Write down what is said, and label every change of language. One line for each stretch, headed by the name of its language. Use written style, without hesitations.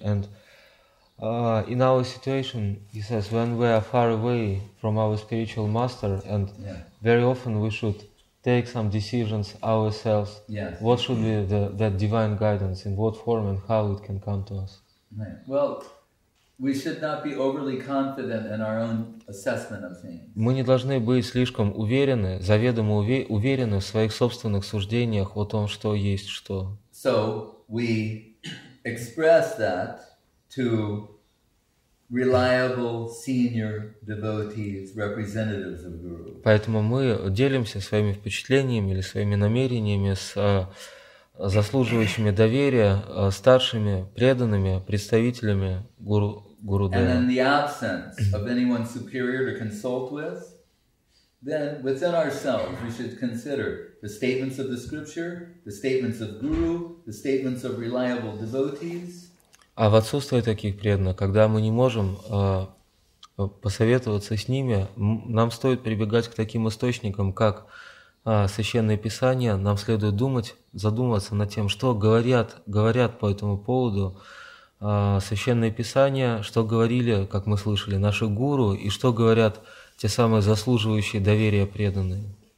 English: And in our situation, he says when we are far away from our spiritual master, and very often we should take some decisions ourselves. Yes. What should be that divine guidance, in what form and how it can come to us? Right. Well, we should not be overly confident in our own assessment of things.
Russian: Мы не должны быть слишком уверены, заведомо уверены в своих собственных суждениях о том, что есть что.
English: So we express that to reliable senior devotees, representatives of Guru.
Russian: Поэтому мы делимся своими впечатлениями или своими намерениями с заслуживающими доверия старшими преданными представителями Гуру Дева.
English: And in the absence of anyone superior to consult with, then within ourselves we should consider the statements of the scripture, the statements of Guru, the statements of reliable devotees.
Russian: А в отсутствие таких преданных, когда мы не можем посоветоваться с ними, нам стоит прибегать к таким источникам, как Священное Писание. Нам следует задуматься над тем, что говорят по этому поводу Священное Писание, что говорили, как мы слышали, наши гуру, и что говорят те самые заслуживающие доверия преданные.